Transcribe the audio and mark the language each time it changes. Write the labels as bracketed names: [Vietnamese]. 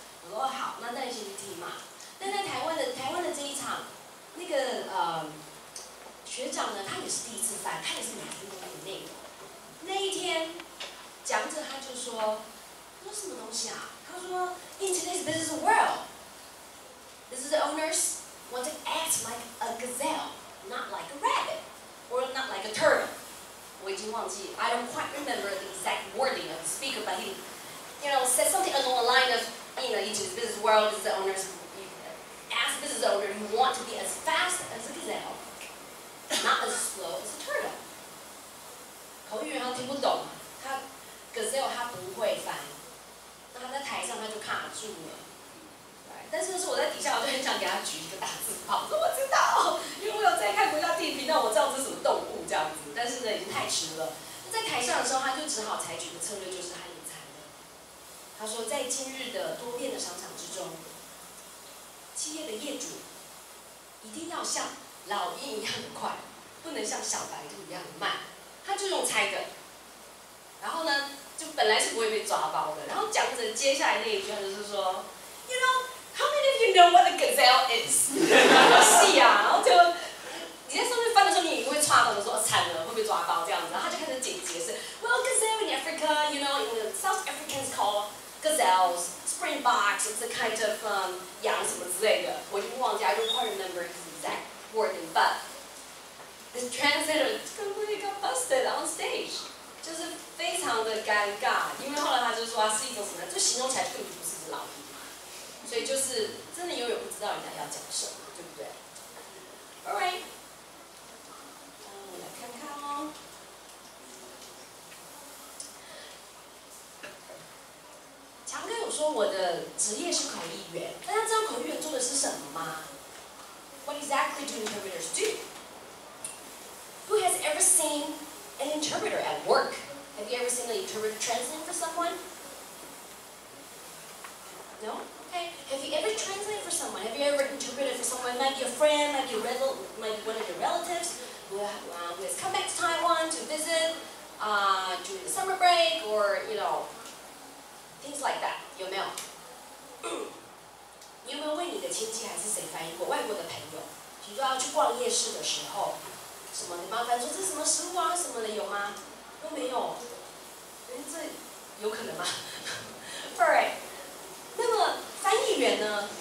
[Chinese] 我说好，那你先去听嘛。但在台湾的这一场，那个学长呢，他也是第一次翻，他也是没听过那个内容。那一天讲者他就说，他说什么东西啊？他说 [English] ，Internet this is the world。 This is the owners want to act like a gazelle, not like a rabbit, or not like a turtle. [Chinese] 我已经忘记 [English] ，I don't quite remember the exact wording of the speaker, but he, you know, said something along the line of, you know, into the business world, this is the owners, as business owner, you want to be as fast as a gazelle, not as slow as a turtle. [Chinese] 口语他听不懂，他 gazelle 他不会翻，那他在台上他就卡住了。但是我在底下，我就很想给他举一个大字报，说我知道，因为我有在看国家地理频道，我知道这是什么动物这样子。但是呢，已经太迟了。在台上的时候，他就只好采取的策略就是他隐藏的。他说，在今日的多变的商场之中，企业的业主一定要像老鹰一样的快，不能像小白兔一样的慢。他就用猜的，然后呢，就本来是不会被抓包的。然后讲着接下来那一句，他就是说 ， [English] You know。 How many of you know what a gazelle is? [Chinese] 是啊，然后就你在上面翻的时候，你也会抓到的，说惨了，会被抓包这样子。然后他就开始解释是 ， [English] Well, gazelle in Africa, you know, in the South Africans call gazelles springboks. It's a kind of [Chinese] 羊什么之类的。我已经忘记 [English] ，I don't quite remember exact wording, but the translator completely got busted on stage. [Chinese] 就是非常的尴尬，因为后来他就说他是一种什么，就形容起来并不是只老鹰。所以就是真的永远不知道人家要讲什么，对不对 ？ [English] All right， [Chinese] 那我来看看哦。强哥有说我的职业是口译员，大家知道口译员做的是什么吗 ？ [English] What exactly do interpreters do？ Who has ever seen an interpreter at work？ Have you ever seen an interpreter translate for someone？ No。 Have you ever translated for someone? Have you ever interpreted for someone, like your friend, like your like one of your relatives who has come back to Taiwan to visit during the summer break or you know things like that? [Chinese] 有没有？你有没有为你的亲戚还是谁翻译过外国的朋友？比如说要去逛夜市的时候，什么你麻烦说这是什么食物啊什么的有吗？都没有，这有可能吗？ [English] All right。 [Chinese] 那么翻译员呢？